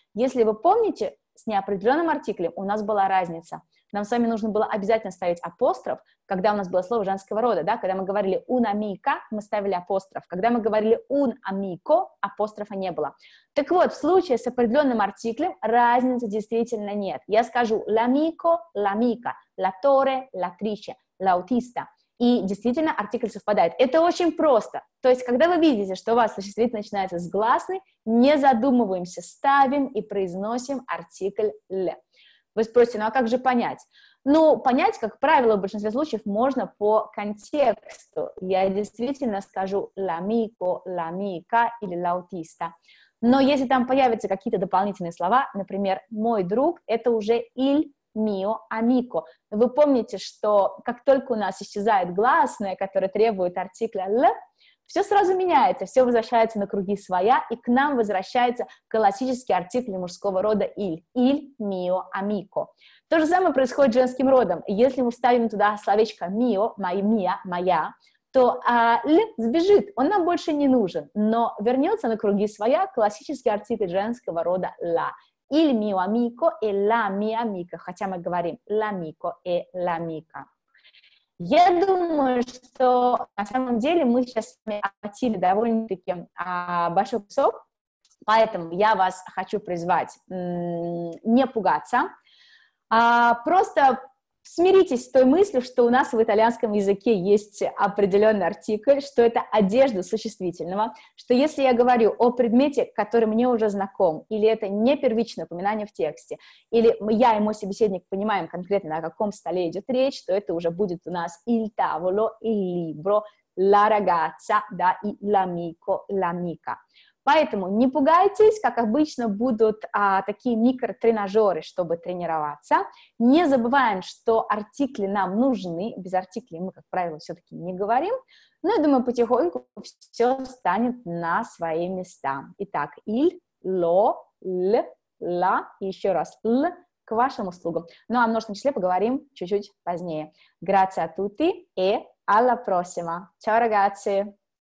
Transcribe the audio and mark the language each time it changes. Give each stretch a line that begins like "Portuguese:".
Russian: Если вы помните, с неопределенным артиклем у нас была разница. Нам с вами нужно было обязательно ставить апостроф, когда у нас было слово женского рода, да? Когда мы говорили «un amico», мы ставили апостроф. Когда мы говорили «un amico», апострофа не было. Так вот, в случае с определенным артиклем разницы действительно нет. Я скажу «l'amico», «l'amica», «l'attore», «l'attrice», «l'autista». И действительно, артикль совпадает. Это очень просто. То есть, когда вы видите, что у вас существительное начинается с гласной, не задумываемся, ставим и произносим артикль «l». Вы спросите, ну а как же понять? Ну, понять, как правило, в большинстве случаев можно по контексту. Я действительно скажу «l'amico», «l'amica» или «l'autista». Но если там появятся какие-то дополнительные слова, например, «мой друг», это уже «иль», «mio amico». Вы помните, что как только у нас исчезает гласное, которое требует артикля «l», все сразу меняется, все возвращается на круги своя, и к нам возвращается классический артикль мужского рода «иль». «Иль mio amico». То же самое происходит с женским родом. Если мы вставим туда словечко «mio», «моя», «моя», то «l» сбежит, он нам больше не нужен, но вернется на круги своя классический артикль женского рода «la». «Il mio amico» и «la mia amica», хотя мы говорим «l'amico» и «l'amica». Я думаю, что на самом деле мы сейчас охватили довольно-таки большой кусок, поэтому я вас хочу призвать не пугаться, просто смиритесь с той мыслью, что у нас в итальянском языке есть определенный артикль, что это одежда существительного, что если я говорю о предмете, который мне уже знаком, или это не первичное упоминание в тексте, или я и мой собеседник понимаем конкретно, о каком столе идет речь, то это уже будет у нас «il tavolo», «il libro», «la ragazza», да, и «l'amico», «l'amica». Поэтому не пугайтесь, как обычно будут такие микротренажеры, чтобы тренироваться. Не забываем, что артикли нам нужны. Без артиклей мы, как правило, все-таки не говорим. Но я думаю, потихоньку все станет на свои места. Итак, иль, ло, л, ла, и еще раз л, к вашим услугам. Ну, о множественном числе поговорим чуть-чуть позднее.
Italian: Grazie a tutti e alla prossima. Ciao, ragazzi!